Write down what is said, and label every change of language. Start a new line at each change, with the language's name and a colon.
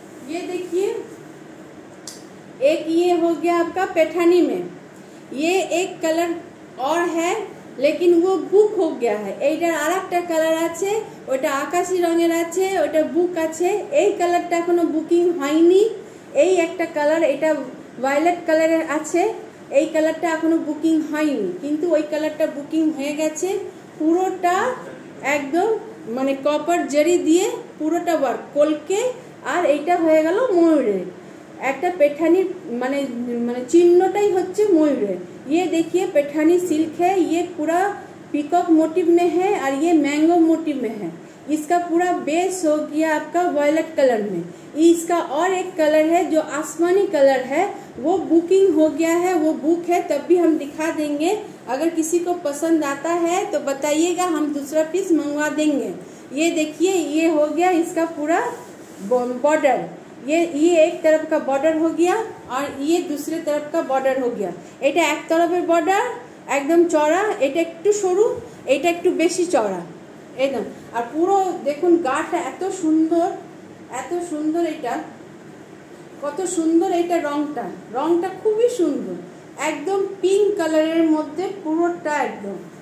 Hindi: ये देखिए, एक ये हो गया आपका पैठानी में, ये एक कलर और है लेकिन वो बुक हो गया है।
Bangla: এইটা আরেকটা কালার আছে, ওটা আকাশী রঙের আছে, ওটা বুক আছে। এই কালারটা এখনো বুকিং হয়নি। এই একটা কালার, এটা ভায়োলেট কালারের আছে, এই কালারটা এখনো বুকিং হয়নি, কিন্তু ওই কালারটা বুকিং হয়ে গেছে। পুরোটা একদম মানে কপার জারি দিয়ে পুরোটা ওয়ার্ক কলকে, আর এইটা হয়ে গেল ময়ূরের একটা পেঠানির মানে মানে চিহ্নটাই হচ্ছে ময়ূরের।
Hindi: ये देखिए पेठानी सिल्क है, ये पूरा पिकॉक मोटिव में है और ये मैंगो मोटिव में है। इसका पूरा बेस हो गया आपका वायलेट कलर में। इसका और एक कलर है जो आसमानी कलर है, वो बुकिंग हो गया है, वो बुक है, तब भी हम दिखा देंगे। अगर किसी को पसंद आता है तो बताइएगा, हम दूसरा पीस मंगवा देंगे। ये देखिए, ये हो गया इसका पूरा बॉर्डर, ये एक तरफ का बॉर्डर हो गया और ये दूसरे तरफ का बॉर्डर हो गया।
Bangla: এটা এক তরফের বর্ডার একদম চড়া, এটা একটু সরু, এটা একটু বেশি চড়া একদম। আর পুরো দেখুন গাটা এত সুন্দর, এত সুন্দর, এটা কত সুন্দর, এটা রংটা রংটা খুবই সুন্দর, একদম পিঙ্ক কালারের মধ্যে পুরোটা একদম।